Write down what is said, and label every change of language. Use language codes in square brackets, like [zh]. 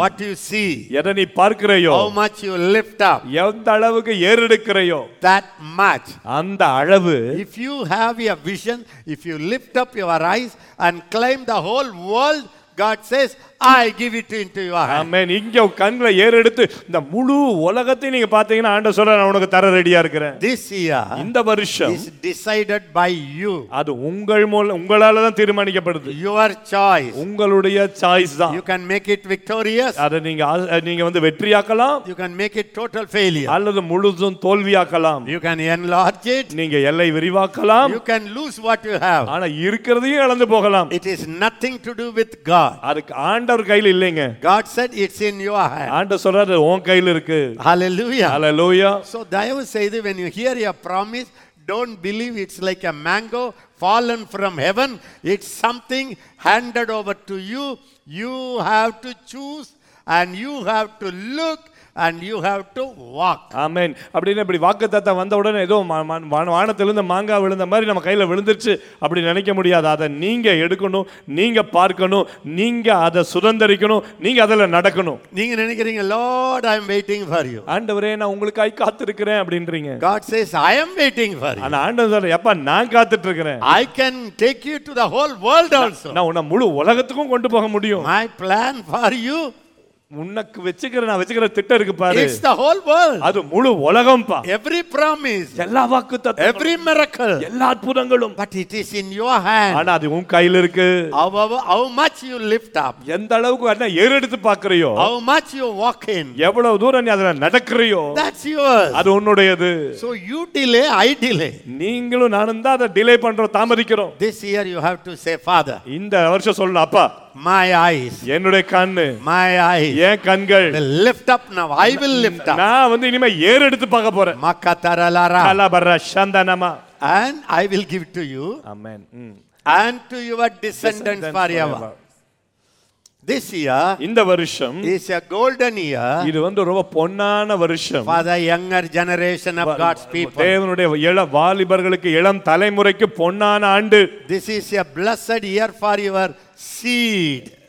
[en] What you see. [ta] எதை நீ பார்க்கிறயோ. [en] How much you lift up. [ta] எந்த அளவுக்கு ஏறெடுக்கிறயோ. [en] That much. [ta] அந்த அளவு. [en] If you have your vision, if you lift up your eyes and claim the whole world, God says, I give it into your hand. Amen. [ta] இங்க கண்ணல ஏறெடுத்து இந்த முழு உலகத்தை நீங்க பாத்தீங்கன்னா ஆண்டவர் சொல்ற நான் உங்களுக்கு தர ரெடியா இருக்கிறேன். [en] This year. [ta] இந்த வருஷம். [en] Is decided by you. [ta] அது உங்கள் மூலம் உங்களால தான் தீர்மானிக்கப்படுது. [en] Your choice. [ta] உங்களுடைய சாய்ஸ் தான். [en] You can make it victorious. [ta] அத நீங்க வந்து வெற்றியாக்கலாம். [en] You can make it total failure. [ta] அல்லது முழுதும் தோல்வியாக்கலாம். [en] You can enlarge it. [ta] நீங்க எல்லை விரிவாக்கலாம். [en] You can lose what you have. [ta] ஆனா இருக்கிறதையும் இழந்து போகலாம். [en] It is nothing to do with God. [ta] அதுக்கு ஆண்டவர் கையில் இல்லைங்க. [en] God said it's in your hand. [ta] ஆண்டவர் சொல்றாரு உன் கையில் இருக்கு. [en] Hallelujah. Hallelujah. So [ta] தயவு செய்து [en] when you hear a promise, don't believe it's like a mango fallen from heaven. It's something handed over to you. You have to choose and you have to look and you have to walk. Amen. [ta] அப்படின இப்படி வாக்குத்தத்த வந்த உடனே ஏதோ வானத்துல இருந்து மாங்கா விழுந்த மாதிரி நம்ம கையில விழுந்துருச்சு அப்படி நினைக்க முடியாது. அதை நீங்க எடுக்கணும், நீங்க பார்க்கணும், நீங்க அதை சுதந்திரிக்கணும், நீங்க அதுல நடக்கணும். நீங்க நினைக்கிறீங்க [en] Lord I am waiting for you. [ta] ஆண்டவரே நான் உங்களுக்காய் காத்திருக்கிறேன் அப்படின்றீங்க. [en] God says I am waiting for you. [ta] ஆனா ஆண்டவர் சொல்ற அப்பா நான் காத்துட்டு இருக்கிறேன். [en] I can take you to the whole world also. [ta] நான் உன முழு உலகத்துக்கும் கொண்டு போக முடியும். [en] My plan for you. [ta] உனக்கு வெச்சிருக்கிற நான் வெச்சிருக்கிற திட்டம் இருக்கு பாரு. [en] It's the whole world. [ta] அது முழு உலகம் பா. [en] Every promise. [ta] எல்லா வாக்குத்தத்தம். [en] Every miracle. [ta] எல்லா அற்புதங்களும். [en] But it is in your hand. [ta] ஆனா அது உன் கையில இருக்கு. [en] How much you lift up. [ta] எந்த அளவுக்கு அதை ஏறெடுத்து பார்க்கறியோ. [en] How much you walk in. [ta] எவ்வளவு தூரம் நீ அதல நடக்கறியோ. [en] That's yours. [ta] அது உன்னுடையது. [en] So you delay, I delay. [ta] நீங்களும் நானும் தான் அதை டிலே பண்றோம், தாமதிக்கிறோம். [en] This year you have to say father. [ta] இந்த வருஷம் சொல்லு அப்பா. [en] My eyes. [ta] என்னுடைய கண்ணு. [en] My eyes. [ta] என் கண்கள். [en] Lift up now. I will lift up. [ta] நான் வந்து இனிமே ஏறெடுத்து பார்க்க போறேன். மக்கதரலரா. கலபர சந்தனமா. [en] And I will give to you. Amen. And to your descendants forever. This year. [ta] இந்த வருஷம். [en] Is a golden year. [ta] இது வந்து ரொம்ப பொன்னான வருஷம். [en] For the younger generation of God's people. [ta] தேவனுடைய இள வாலிபர்களுக்கு இளம் தலைமுறைக்கு பொன்னான ஆண்டு. [en] This is a blessed year for your seed.